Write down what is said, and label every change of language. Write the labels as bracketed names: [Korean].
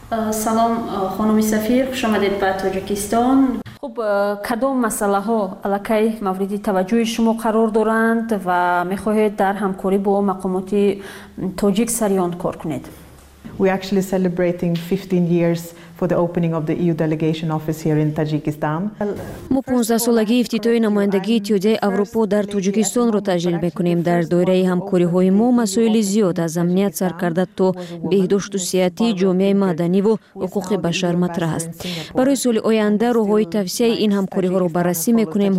[Persian] سلام خانم سفیر، خوش آمدید به تاجیکستان. خب کدام مسئله ها علاقه موردی توجه شما قرار دارند و میخواهید در همکاری با مقامات تاجیک سریان کار کنید؟ [English] We actually celebrating 15 years for the opening of the EU delegation office here in Tajikistan. [Tajik] Мо 15 солаги ифтитои намояндагии Иттиҳодияи Аврупо дар Тоҷикистонро таҷлил мекунем. Дар доираи ҳамкориҳои мо масоили зиёд аз амният сар карда то беҳдошту сиҳатӣ, ҷомеаи маданӣ ва ҳуқуқи башар матраҳ аст. Барои соли оянда роҳҳои тавсеаи ин ҳамкориҳоро баррасӣ мекунем.